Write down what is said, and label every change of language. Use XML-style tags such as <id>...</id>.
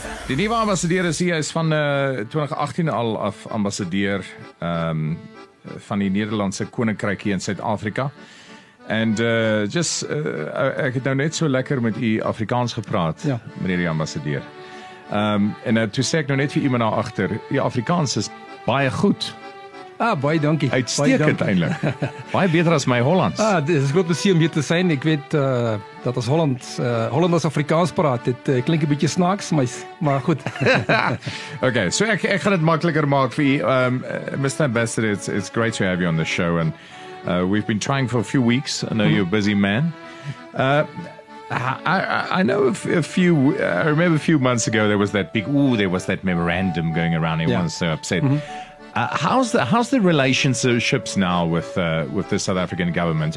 <af>Die nuwe ambassadeur is hier, is van 2018 al af ambassadeur van die Nederlandse Koninkryk hier in Suid-Afrika. And ek het nou net so lekker met u Afrikaans gepraat, ja. Meneer die ambassadeur. Toe sê ek nou net vir iemand daar agter, die Afrikaans is baie goed. Ah, baie dankie. Uitstekend eintlik. Baie beter as my Hollands. Ah, dis groot plesier om hier te sien. Ek weet dat as Hollanders Afrikaans praat, dit klink 'n bietjie snaaks, maar goed. Okay, so ek gaan dit makliker maak vir u.</af> <en>Mr. Ambassador, it's great to have you on the show, and we've been trying for a few weeks. I know you're a busy man. I know I remember a few months ago there was that memorandum going around. Everyone's so upset. Mm-hmm. How's the relationships now with the South African government?</en>